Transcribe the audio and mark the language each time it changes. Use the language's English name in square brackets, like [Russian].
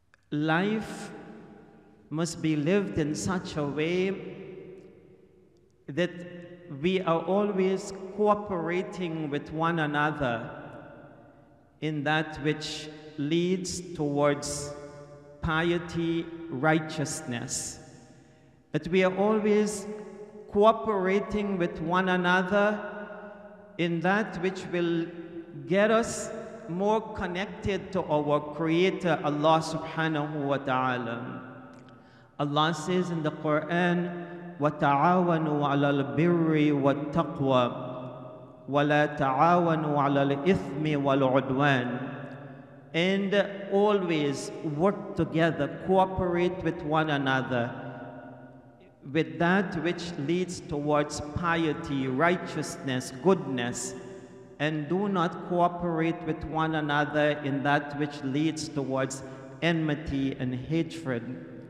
[English] life must be lived in such a way that we are always cooperating with one another in that which leads towards piety, righteousness. That we are always cooperating with one another in that which will get us more connected to our Creator, Allah Subhanahu wa Ta'ala. Allah says in the Quran, [Arabic] وَتَعَاوَنُوا عَلَى الْبِرِّ وَالتَّقْوَى وَلَا تَعَاوَنُوا عَلَى الْإِثْمِ وَالْعُدْوَانِ. [English] And always work together, cooperate with one another with that which leads towards piety, righteousness, goodness, and do not cooperate with one another in that which leads towards enmity and hatred.